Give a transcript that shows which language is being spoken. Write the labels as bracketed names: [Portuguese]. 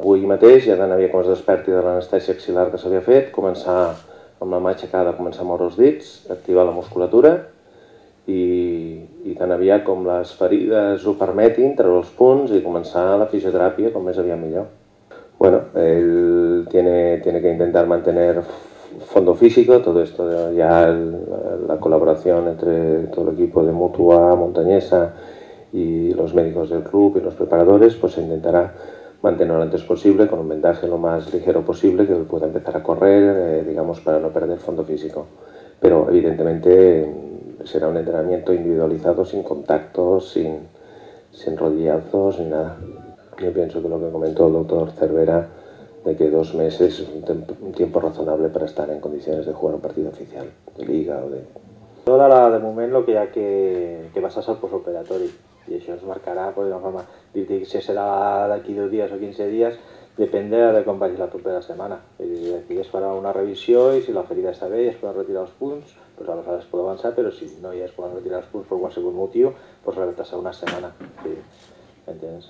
[Catalan] Avui mateix ja d'anar a veure com es desperti de l'anestèsia axilar que s'havia fet, començar amb la mà aixecada, començar a moure els dits, activar la musculatura i d'anar a veure com les ferides ho permetin, treure els punts i començar la fisioteràpia com més aviat millor. [Spanish] Bueno, ell tiene que intentar mantener fondo físico, todo esto ya la colaboración entre todo el equipo de Mutua, Montañesa y los médicos del club y los preparadores, pues se intentará mantenerlo lo antes posible con un vendaje lo más ligero posible que pueda empezar a correr, digamos, para no perder fondo físico. Pero evidentemente será un entrenamiento individualizado, sin contactos, sin rodillazos, ni nada. Yo pienso que lo que comentó el doctor Cervera de que 2 meses es un tiempo razonable para estar en condiciones de jugar un partido oficial de liga o de... [Catalan] De moment el que hi ha que passar és el postoperatori i això es marcarà, pues, d'una forma, dir si serà d'aquí 2 dies o 15 dies, depèn de com vagi la propera setmana. És a dir, es farà una revisió i si la ferida està bé i es poden retirar els punts, pues, aleshores es pot avançar, però si no ja es poden retirar els punts per qualsevol motiu, pues, retrasar una setmana. Sí. Entens?